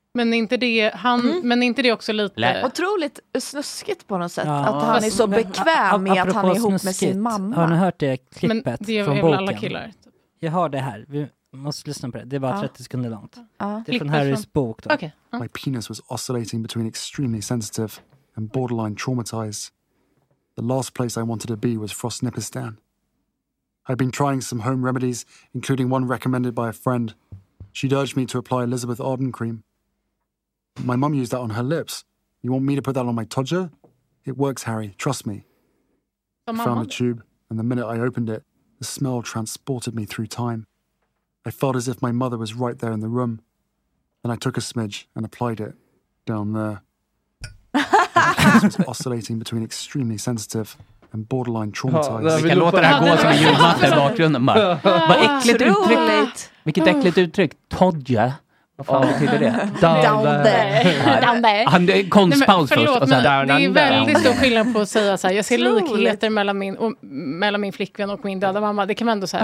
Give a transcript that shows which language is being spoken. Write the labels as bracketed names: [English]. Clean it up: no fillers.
[Swedish] Men inte det han men inte det också lite otroligt snuskigt på något sätt, ja, att han är så bekväm med att han är ihop snuskigt, med sin mamma. Har ni hört det klippet det från boken? Alla killar, typ. Jag har det här. Vi måste lyssna på det. Det är bara 30 sekunder långt. Ja. Det är från Harrys bok då. [English] Okay. My penis was oscillating between extremely sensitive and borderline traumatized. The last place I wanted to be was Frostnipistan. I'd been trying some home remedies, including one recommended by a friend. She'd urged me to apply Elizabeth Arden cream. My mum used that on her lips. You want me to put that on my todger? It works, Harry. Trust me. Oh, I found the tube, and the minute I opened it, the smell transported me through time. I felt as if my mother was right there in the room. Then I took a smidge and applied it down there. My penis was oscillating between extremely sensitive and borderline traumatized. [Swedish] Vi kan låta det här gå som en julmatta i bakgrunden, Mark. Vad äckligt uttryck. Vilket äckligt uttryck. Todger. Vad fan betyder det? [English] Down there. [Swedish] Konstpaus först. Det är väldigt stor skillnad på att säga så här, jag ser likheter mellan min flickvän och min döda mamma. Det kan man ändå säga.